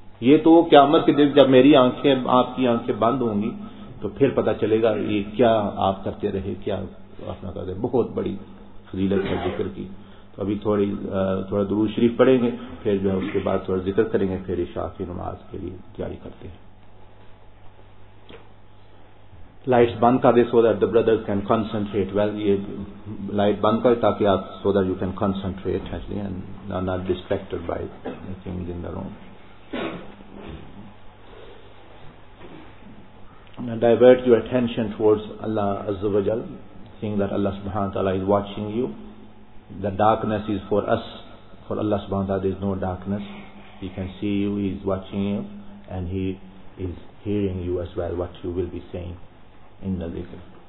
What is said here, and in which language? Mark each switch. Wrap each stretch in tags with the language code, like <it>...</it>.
<ur>یہ تو قیامت کے دن جب میری آنکھیں آپ کی آنکھیں بند ہوں گی تو پھر پتہ چلے گا یہ کیا آپ کرتے رہے, کیا اپنا کرتے. بہت بڑی فضیلت ہے ذکر کی. تو ابھی تھوڑا درود شریف پڑھیں گے, پھر جو ہے اس کے بعد تھوڑا ذکر کریں گے, پھر عشاء کی نماز کے لیے تیاری کرتے ہیں. لائٹس بند کر دے</ur> <en>So that the brothers can concentrate. Well</en> <ur>یہ لائٹ بند کر تاکہ آپ</ur> <en>So that you can concentrate actually and are not distracted by things in the room. Divert your attention towards Allah Azza wa Jal, seeing that Allah Subhanahu wa Ta'ala is watching you. The darkness is for us, for Allah Subhanahu wa Ta'ala there is no darkness. He can see you, He is watching you, and He is hearing you as well, what you will be saying in the dhikr.</en>